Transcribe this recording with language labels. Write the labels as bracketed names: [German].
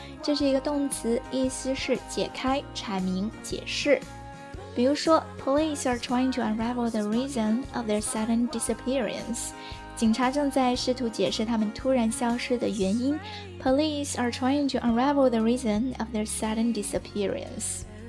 [Chinese] 这是一个动词，意思是解开、阐明、解释。比如说 [English] ,Police are trying to unravel the reason of their sudden disappearance. [Chinese] 警察正在试图解释他们突然消失的原因。 [English] Police are trying to unravel the reason of their sudden disappearance.